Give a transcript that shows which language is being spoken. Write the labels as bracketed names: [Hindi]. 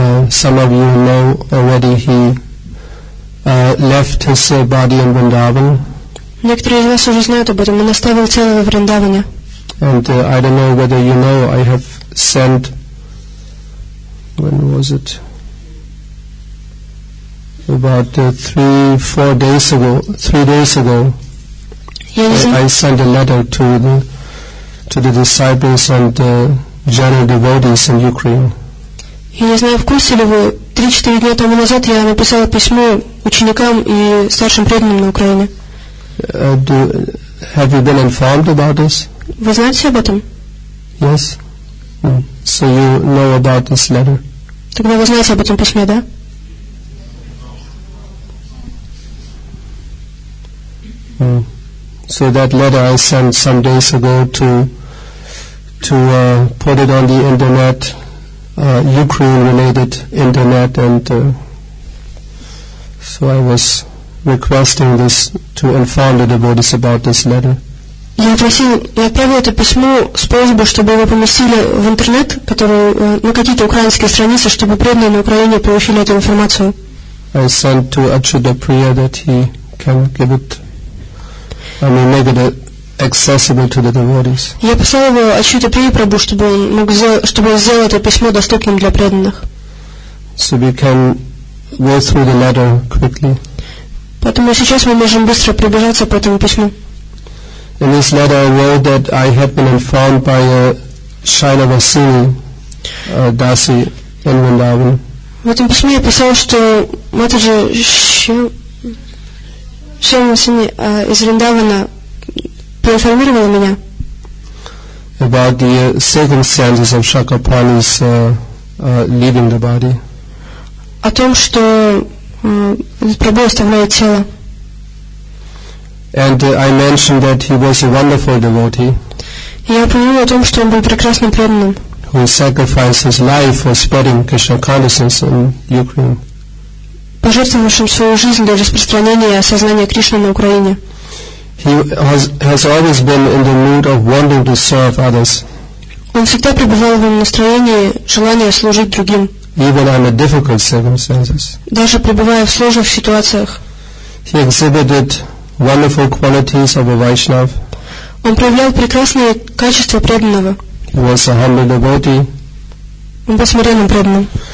[English] Some of you know already, he left his body in Vrindavan. [Russian] Некоторые из вас уже знают об этом. Он оставил тело во Вриндаване. [English] And I don't know whether you know, I have sent. When was it? About 3-4 days ago. 3 days ago. I sent a letter to the disciples and general devotees in Ukraine. [Russian] Я не знаю, в курсе ли вы, 3-4 дня тому назад я написала письмо ученикам и старшим преданным на Украине. [English] Have you been informed about this? [Russian] Вы знаете об этом? [English] Yes. So you know about this letter. [Russian] Тогда вы знаете об этом письме, да? [English] So that letter I sent some days ago to put it on the internet, Ukraine-related internet, and so I was requesting this to inform the devotees about this letter. [Russian] Я отправил это письмо с просьбой, чтобы его поместили в интернет, на какие-то украинские страницы, чтобы преданные на Украине получили эту информацию. [English] I sent to Achyuta Priya that he can give it. Make it accessible to the devotees. [Russian] Я послал его Ачьюта Прия Прабху, чтобы он сделал это письмо доступным для преданных. [English] So we can go through the letter quickly. [Russian] Поэтому сейчас мы можем быстро пробежаться по этому письму. [English] In this letter I wrote that I had been informed by a Shaila Vasini Dasi in Vrindavan. [Russian] В этом письме я писал, что Матаджи Шамасини из Вриндавана проинформировала меня [English] about the circumstances of Chakrapani's leaving the body. [Russian] О том, что Прабху оставляет тело. [English] And I mentioned that he was a wonderful devotee. [Russian] Я упомянула о том, что он был прекрасным преданным. [English] Who sacrificed his life for spreading Krishna consciousness in Ukraine. [Russian] Пожертвовавшим свою жизнь для распространения сознания Кришны на Украине. [English] He has always been in the mood of wanting to serve others. [Russian] Он всегда пребывал в настроении желания служить другим. [English] Even under difficult circumstances. [Russian] Даже пребывая в сложных ситуациях. [English] He exhibited wonderful qualities of a Vaishnav. [Russian] Он проявлял прекрасные качества преданного. [English] He was a humble devotee. [Russian] Он был смиренным преданным.